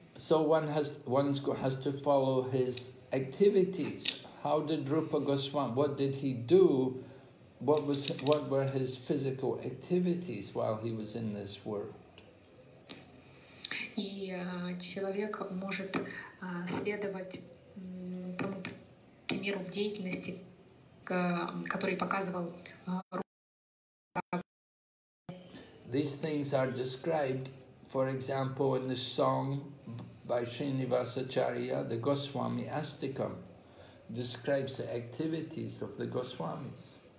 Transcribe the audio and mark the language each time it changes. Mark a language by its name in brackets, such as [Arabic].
[English] So one has to follow his activities. How did Rupa Goswami, what did he do? What were his physical activities while he was in this world? [Russian] И человек может следовать тому примеру в деятельности, который показывал [English] These things are described, for example, in the song by Srinivasacharya, the Goswami Astikam describes the activities of the Goswamis.